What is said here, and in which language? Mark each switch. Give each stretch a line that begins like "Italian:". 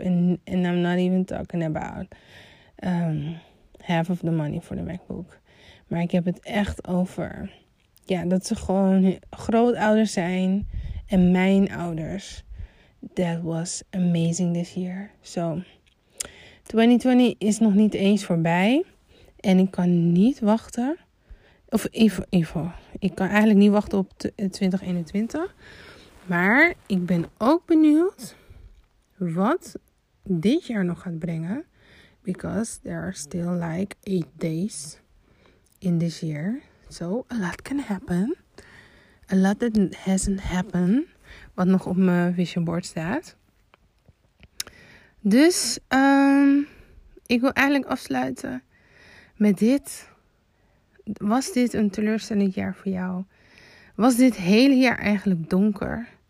English: And I'm not even talking about half of the money for the MacBook.
Dutch: Maar ik heb het echt over, ja, dat ze gewoon grootouders zijn. En mijn ouders.
English: That was amazing this year. So,
Dutch: 2020 is nog niet eens voorbij. En ik kan niet wachten. Of even. Ik kan eigenlijk niet wachten op 2021. Maar ik ben ook benieuwd wat dit jaar nog gaat brengen.
English: Because there are still like 8 days in this year. So a lot can happen. A lot that hasn't happened.
Dutch: Wat nog op mijn vision board staat. Dus ik wil eigenlijk afsluiten met dit. Was dit een teleurstellend jaar voor jou? Was dit hele jaar eigenlijk donker?